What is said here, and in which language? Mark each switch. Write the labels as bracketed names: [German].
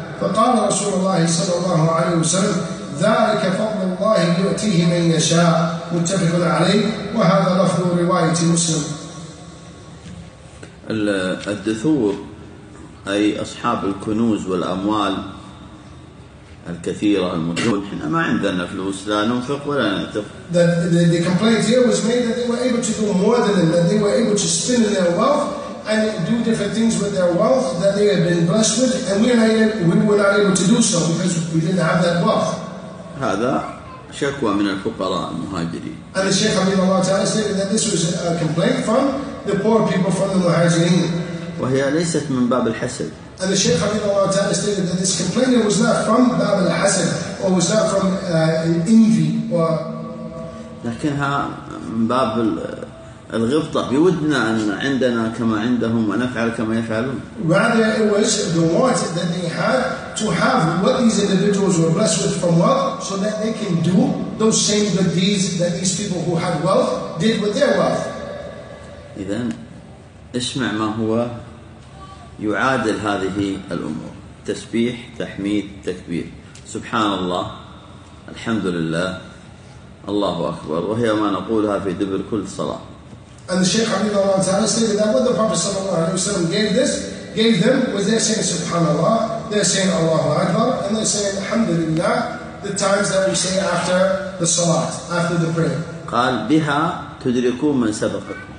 [Arabic] فقال رسول الله صلى الله عليه وسلم: ذلك فضل الله يؤتيه من يشاء. متفق عليه. وهذا لفظ رواية مسلم. الدثور أي أصحاب الكنوز والأموال الكثيرة المدهون. إحنا ما عندنا فلوس لا ننفق ولا نعتق. [English] The complaint here was made that they were able to do more than them, that they were able to spend their wealth and do different things with their wealth that they had been blessed with, and we were not able to do so because we didn't have that wealth. [Arabic] هذا شكوى من الفقراء المهاجرين. [English] And the Shaykh [Arabic] رحمه الله تعالى [English] stated that this was a complaint from the poor people from the Muhajirin. [Arabic] وهي ليست من باب الحسد. [English] And the Shaykh [Arabic] رحمه الله تعالى [English] stated that this complaint was not from [Arabic] باب الحسد [English] or was not from envy or. [Arabic] لكنها من باب الغبطة. بودنا أن عندنا كما عندهم ونفعل كما يفعلون. [English] Rather it was the want that they had to have what these individuals were blessed with from wealth, so that they can do those same good deeds that these people who had wealth did with their wealth. [Arabic] إذن اسمع ما هو يعادل هذه الأمور: تسبيح، تحميد، تكبير. سبحان الله، الحمد لله، الله أكبر، وهي ما نقولها في دبر كل صلاة. [English] And the Shaykh [Arabic] رحمه الله تعالى [English] stated that what the Prophet [Arabic] صلى الله عليه وسلم [English] gave them was they're saying Subhanallah, they're saying Allahu Akbar, and they're saying Alhamdulillah, the times that we say after the salat, after the prayer. [Arabic] قال بها تدركون من سبقكم.